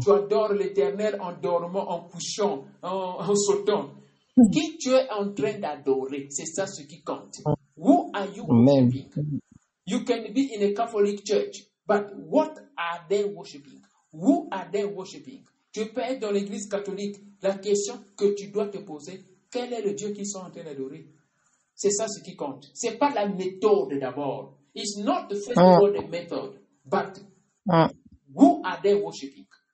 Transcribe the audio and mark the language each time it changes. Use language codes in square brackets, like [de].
[fr] Tu adores l'Éternel en dormant, en couchant, en sautant. Qui tu es en train d'adorer, c'est ça ce qui compte. [en] Who are you worshiping? You can be in a Catholic church, but what are they worshiping? Who are they worshiping? [fr] Tu peux être dans l'Église catholique. La question que tu dois te poser, quel est le Dieu qu'ils sont en train d'adorer? C'est ça ce qui compte. Ce n'est pas la méthode d'abord. [en] It's not the first of all the method, but who are they worshiping?